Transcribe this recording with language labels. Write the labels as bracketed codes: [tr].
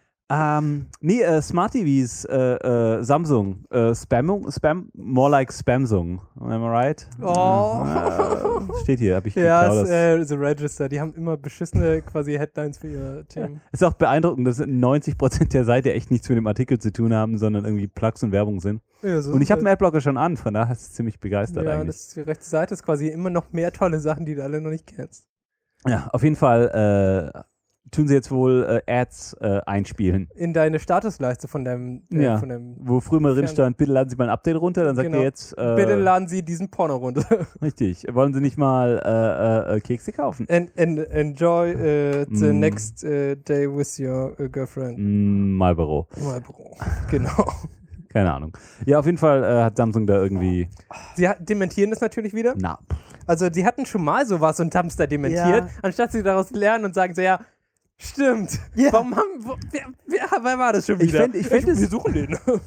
[en] Smart TVs, Samsung, Spam, more like Spamsung, am I right? Oh. [de] Steht hier, habe ich geklaut. Ja, ist Register, die haben immer beschissene quasi Headlines für ihr Team. Ist auch beeindruckend, dass 90% der Seite echt nichts mit dem Artikel zu tun haben, sondern irgendwie Plugs und Werbung sind. Ja, so und ich habe einen Adblocker schon an, von daher ist es ziemlich begeistert eigentlich. Ja, und die rechte Seite ist quasi immer noch mehr tolle Sachen, die du alle noch nicht kennst. Ja, auf jeden Fall, tun sie jetzt wohl Ads einspielen. In deine Statusleiste von deinem... von deinem, wo früher mal drin stand, bitte laden Sie mal ein Update runter, dann sagt er jetzt... bitte laden Sie diesen Porno runter. Richtig. Wollen Sie nicht mal Kekse kaufen? [en] And enjoy the next day with your girlfriend. [de] Marlboro. Marlboro, genau. Keine Ahnung. Ja, auf jeden Fall hat Samsung da irgendwie... Sie dementieren das natürlich wieder? Na. Also sie hatten schon mal sowas und haben es da dementiert, anstatt sie daraus lernen und sagen so, ja... Stimmt. Yeah. Wer war das schon wieder? Wir suchen den.